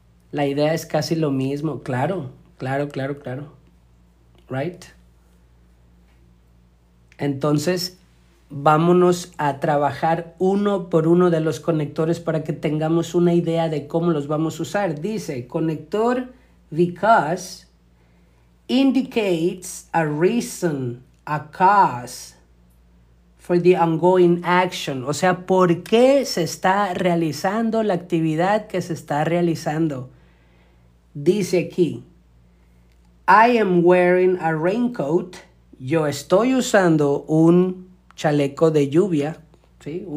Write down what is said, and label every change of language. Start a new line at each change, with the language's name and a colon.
Spanish: La idea es casi lo mismo, claro, claro, claro, claro, right? Entonces, vámonos a trabajar uno por uno de los conectores para que tengamos una idea de cómo los vamos a usar.
English: Dice, conector because indicates a reason, a cause for the ongoing action.
Spanish: O sea, ¿por qué se está realizando la actividad que se está realizando? Dice aquí,
English: I am wearing a raincoat.
Spanish: Yo estoy usando un chaleco de lluvia. ¿Sí?